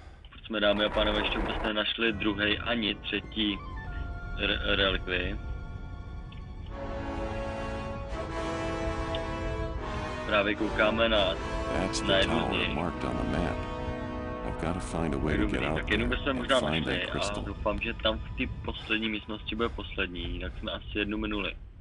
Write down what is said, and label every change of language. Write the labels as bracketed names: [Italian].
[Czech] Proč jsme, dámy a panové, ještě vůbec nenašli druhý ani třetí relikvii. Právě koukáme na jednu z nich. [English] I've got to find a way to get out there. [Czech] A doufám, že tam v té poslední místnosti bude poslední, jinak jsme asi jednu minuli.